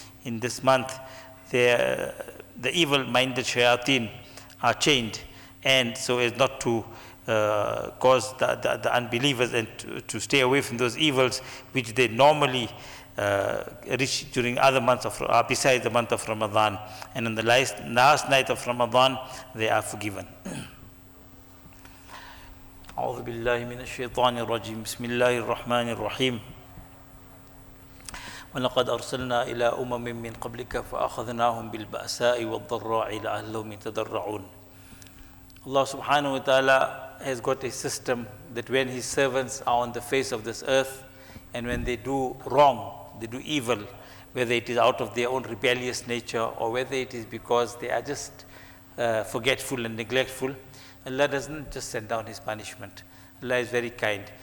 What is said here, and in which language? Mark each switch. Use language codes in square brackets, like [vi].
[en] In this month, the evil-minded shayateen are chained, and so as not to cause the unbelievers and to stay away from those evils which they normally reach during other months of besides the month of Ramadan. And on the last night of Ramadan, they are forgiven." [ar] أعوذ بالله من الشيطان الرجيم بسم الله الرحمن الرحيم ولقد أرسلنا إلى أمم من قبلك فأخذناهم بالبأساء والضراء لعلهم يتضرعون. [en] Allah subhanahu wa ta'ala has got a system that when His servants are on the face of this earth and when they do wrong, they do evil, whether it is out of their own rebellious nature or whether it is because they are just forgetful and neglectful, Allah doesn't just send down His punishment. Allah is very kind.